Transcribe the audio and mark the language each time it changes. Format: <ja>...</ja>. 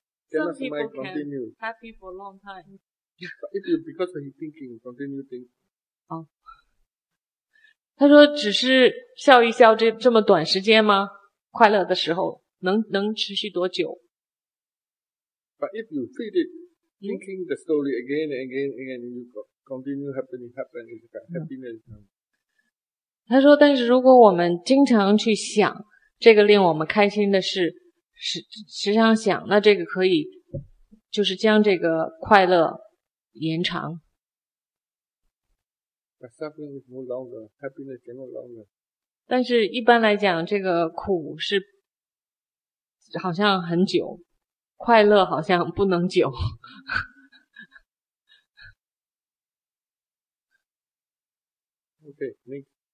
<en>Some people can happy for a long time. If you because he thinking, continue think.</en> <zh>他说只是笑一笑这么短时间吗？快乐的时候能持续多久？</zh> <en>But if you feel it, thinking the story again and again and again, you continue happening, happiness.</en> <zh>他说但是如果我们经常去想这个令我们开心的事，时常想，那这个可以就是将这个快乐延长。</zh> <en>But suffering is no longer, happiness is no longer.</en> <zh>但是一般来讲这个苦是好像很久，快乐好像不能久。</zh> <en>Okay, next.</en>